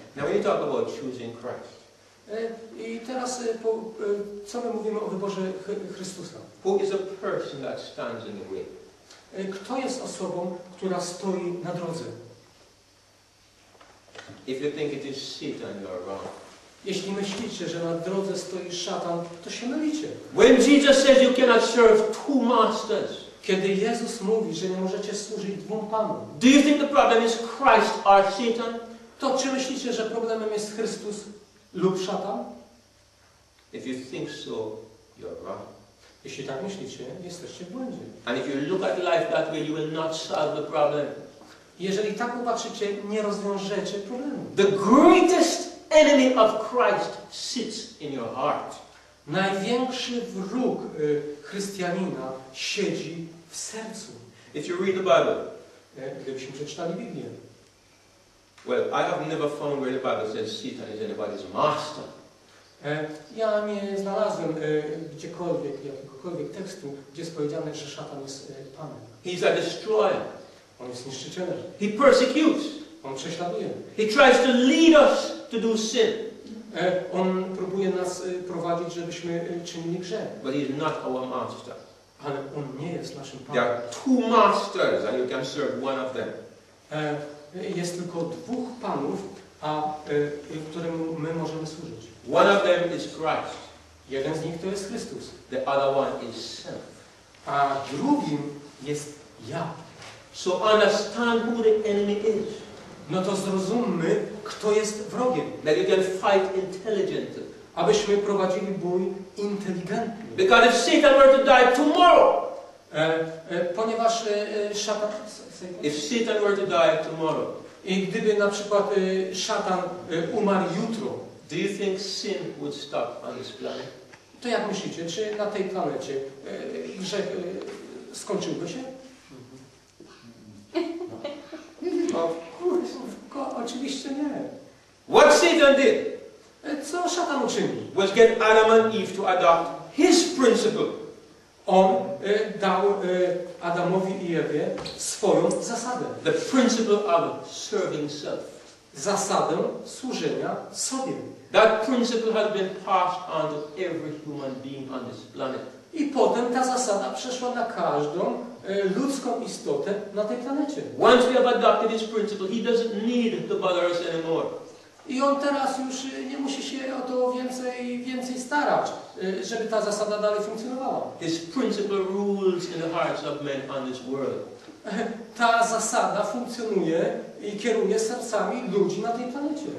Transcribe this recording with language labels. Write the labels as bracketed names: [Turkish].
[English] Now when you talk about choosing Christ. [Polish] I teraz co my mówimy o wyborze Chrystusa? [English] Who is a person that stands in the way? [Polish] Kto jest osobą, która stoi na drodze? [English] If you think it is Satan, you are wrong. [Polish] Jeśli myślicie, że na drodze stoi szatan, to się mylicie. [English] When Jesus says you cannot serve two masters. [Polish] Kiedy Jezus mówi, że nie możecie służyć dwóm panom. [English] Do you think the problem is Christ or Satan? [Polish] To czy myślicie, że problemem jest Chrystus lub szatan? [English] If you think so, you're wrong. [Polish] Jeśli tak myślicie, jesteście w błędzie. [English] And if you look at life that way, you will not solve the problem. [Polish] Jeżeli tak popatrzycie, nie rozwiążecie problemu. [English] The greatest enemy of Christ sits in your heart. [Polish] Największy wróg chrześcijanina siedzi w sercu. [English] If you read the Bible, [Polish] gdybyśmy przeczytali Biblię. [English] Well, I have never found where the Bible says Satan is anybody's master. [Polish] Ja nie znalazłem gdziekolwiek, jakiegokolwiek tekstu, gdzie jest powiedziane, że szatan jest panem. [English] He's a destroyer. [Polish] On jest niszczycielem. [English] He persecutes. [Polish] On prześladuje. [English] He tries to lead us to do sin. [Polish] On próbuje nas prowadzić, żebyśmy czynili grzech. [English] But he is not our master. [Polish] Ale on nie jest naszym panem. [English] There are two masters and you can serve one of them. [Polish] Jest tylko dwóch panów, a któremu my możemy służyć. [English] One of them is Christ. [Polish] Jeden z nich to jest Chrystus. [English] The other one is self. [Polish] A drugim jest ja. [English] So understand who the enemy is. [Polish] No to zrozummy, kto jest wrogiem. [English] That you can fight intelligently. [Polish] Abyśmy prowadzili bój inteligentnie. [English] Because if Satan were to die tomorrow. [Polish] Ponieważ szatan. [English] If Satan were to die tomorrow. [Polish] I gdyby na przykład szatan umarł jutro. [English] Do you think sin would stop on this planet? [Polish] To jak myślicie, czy na tej planecie grzech skończyłby się? No. Oczywiście nie. [English] What Satan did? [Polish] Co szatan uczynił? [English] Was get Adam and Eve to adopt his principle. [Polish] On dał Adamowi i Ewie swoją zasadę. [English] The principle of serving self. [Polish] Zasadę służenia sobie. [English] That principle has been passed on to every human being on this planet. [Polish] I potem ta zasada przeszła na każdą ludzką istotę na tej planecie. [English] Once we have adopted this principle, he doesn't need to bother us anymore. [Polish] I on teraz już nie musi się o to więcej starać, żeby ta zasada dalej funkcjonowała. [English] His principle rules in the hearts of men on this world. [Polish] Ta zasada funkcjonuje i kieruje sercami ludzi na tej planecie.